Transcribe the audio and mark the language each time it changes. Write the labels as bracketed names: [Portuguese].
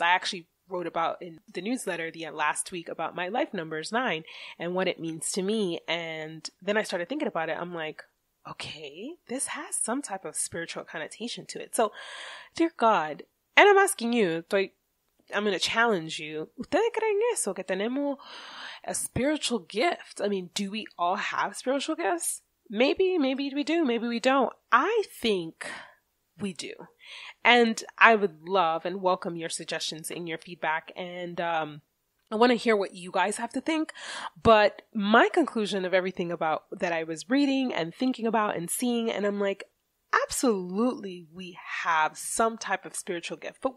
[English] I actually wrote about in the newsletter the last week about my life number is 9 and what it means to me. And then I started thinking about it. I'm like, okay, this has some type of spiritual connotation to it. So, dear God, and I'm asking you, I'm going to challenge you. [Spanish] ¿Ustedes creen eso? ¿Que tenemos [English] a spiritual gift? I mean, do we all have spiritual gifts? Maybe we do, maybe we don't. I think we do. And I would love and welcome your suggestions and your feedback. And I want to hear what you guys have to think. But my conclusion of everything about that I was reading and thinking about and seeing, and I'm like, absolutely, we have some type of spiritual gift.